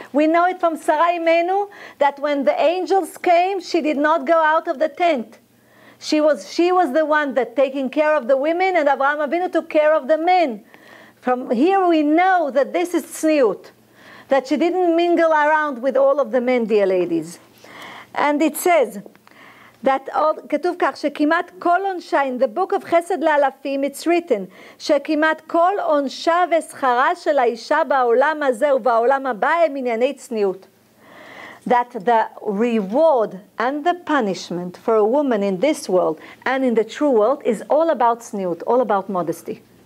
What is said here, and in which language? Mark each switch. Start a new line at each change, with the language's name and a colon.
English: We know it from Sarah Imenu that when the angels came, she did not go out of the tent. She was the one that taking care of the women and Avraham Avinu took care of the men. From here we know that this is tzniut, that she didn't mingle around with all of the men, dear ladies. And it says that all
Hebrew: כתוב כך שכמעט כל עונשה
English: in the book of
Hebrew: Chesed לאלפים it's written שכמעט כל עונשה ושכרה של האישה בעולם הזה ובעולם הבא הם ענייני צניעות.
English: That the reward and the punishment for a woman in this world and in the true world is all about צניעות, all about modesty.